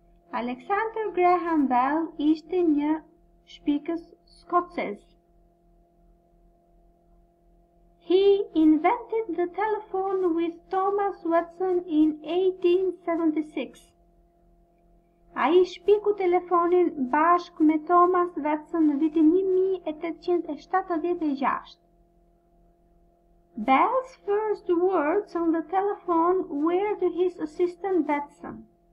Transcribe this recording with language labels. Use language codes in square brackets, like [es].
[sq] Alexander Graham Bell ishte një shpikës skocez. [en] He invented the telephone with Thomas Watson in 1876. [sq] Ai shpiku telefonin bashk me Thomas Watson në vitin 1876. [en] Bell's first words on the telephone were to his assistant Watson.